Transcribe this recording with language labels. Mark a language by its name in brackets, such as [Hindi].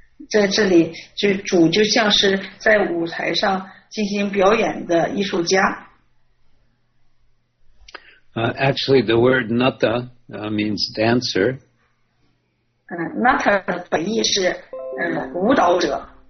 [Chinese] 在这里就主就像是在舞台上进行表演的艺术家。 [English] Actually, the word nata means dancer. [Chinese] Nata 本意是舞蹈者。